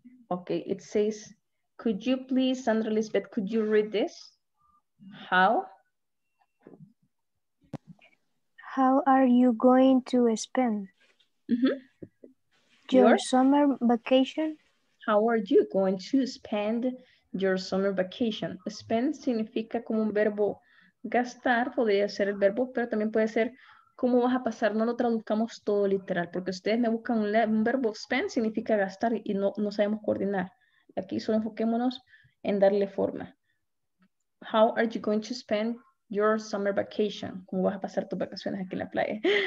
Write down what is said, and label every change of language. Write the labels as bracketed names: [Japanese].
[English] Okay, it says, could you please, Sandra Lisbeth, could you read this? How? How are you going to spend your summer vacation? How are you going to spend your summer vacation. [Spanish] Spend significa como un verbo gastar, podría ser el verbo, pero también puede ser cómo vas a pasar. No lo traduzcamos todo literal, porque ustedes me buscan un verbo. Spend significa gastar y no sabemos coordinar. Aquí solo enfoquémonos en darle forma. [English] How are you going to spend your summer vacation? [Spanish] ¿Cómo vas a pasar tus vacaciones aquí en la playa?